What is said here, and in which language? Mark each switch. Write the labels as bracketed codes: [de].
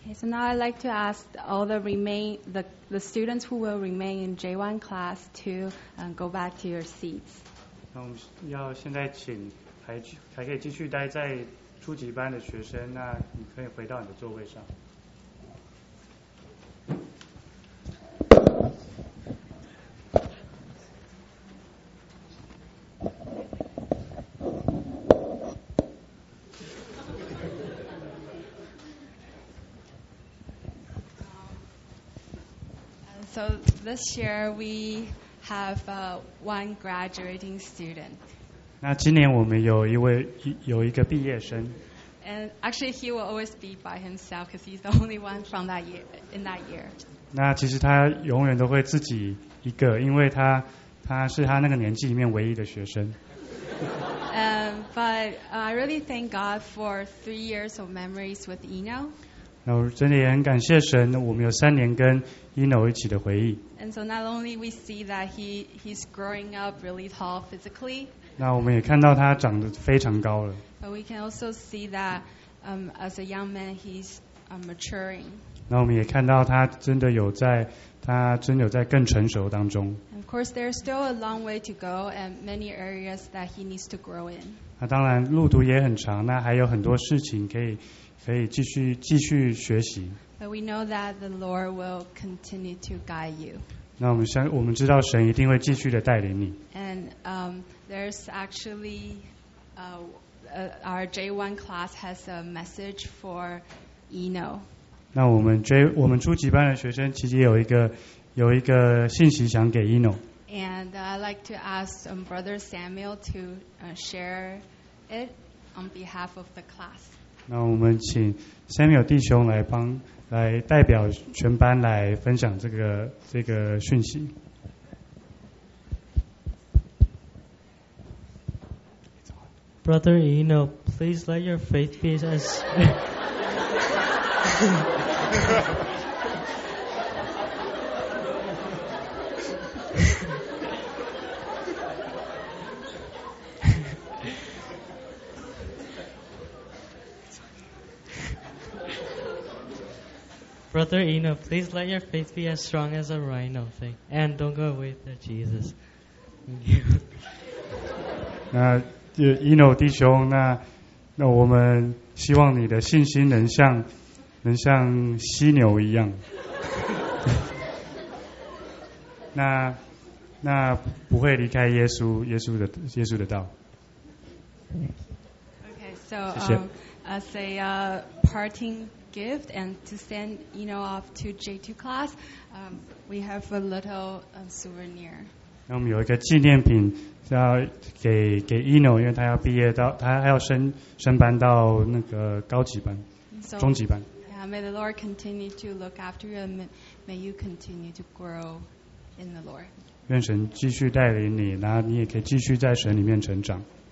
[en] I'd like to ask all the students who will remain in J1 class to go back to your seats. [zh] 那我们要现在请还可以继续待在初级班的学生，那你可以回到你的座位上。 [en] So this year we have one graduating student. [zh] 那今年我们有一个毕业生。 [en] And actually, he will always be by himself because he's the only one from that year. [zh] 那其实他永远都会自己一个，因为他是他那个年纪里面唯一的学生。 [en] But I really thank God for 3 years of memories with Eno. [zh] 那我真的也很感谢神，我们有3年跟 Eno 一起的回忆。 [en] And so not only we see that he's growing up really tall physically. [zh] 那我们也看到他长得非常高了。 [en] But we can also see that as a young man he's maturing. [zh] 那我们也看到他真的有在，他真的有在更成熟当中。 [en] Of course, there's still a long way to go, and many areas that he needs to grow in. [zh] 那当然，路途也很长，那还有很多事情可以继续学习。 [en] But we know that the Lord will continue to guide you. [zh] 那我们知道神一定会继续的带领你。 [en] And there's actually our J1 class has a message for Eno. [zh] 那我们初级班的学生其实有一个信息想给 Eno。 [en] And I'd like to ask Brother Samuel to share it on behalf of the class. [zh] 那我们请 Samuel 弟兄来代表全班来分享这个讯息。 [en] Brother Eno, please let your faith be as. Brother Eno, please let your faith be as strong as a rhino thing, and don't go away with Jesus. [zh] 那Eno弟兄，那我们希望你的信心能像犀牛一样。那不会离开耶稣的道。 [en] Okay, so as a parting gift and to send Eno off to J2 class, we have a little souvenir. [zh] 那我们有一个纪念品是要给 Eno, 因为他要毕业到他还要升班到那个高级班 [en] so, [zh] 中级班。 [en] May the Lord continue to look after you, and may you continue to grow in the Lord. [zh] 愿神继续带领你，然后你也可以继续在神里面成长。